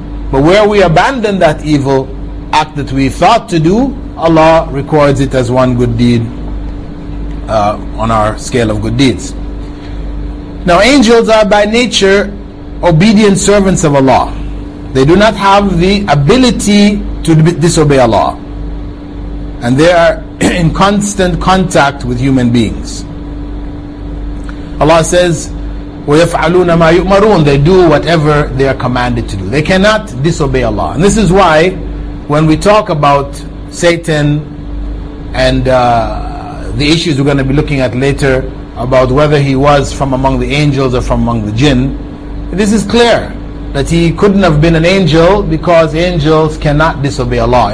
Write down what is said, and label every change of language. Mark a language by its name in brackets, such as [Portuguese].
[English] But where we abandon that evil act that we thought to do, Allah records it as one good deed on our scale of good deeds. Now, angels are by nature obedient servants of Allah. They do not have the ability to disobey Allah. And they are in constant contact with human beings. [Arabic] Allah says, وَيَفْعَلُونَ مَا يُؤْمَرُونَ. [English] They do whatever they are commanded to do. They cannot disobey Allah. And this is why when we talk about Satan and the issues we're going to be looking at later about whether he was from among the angels or from among the jinn, this is clear that he couldn't have been an angel because angels cannot disobey Allah.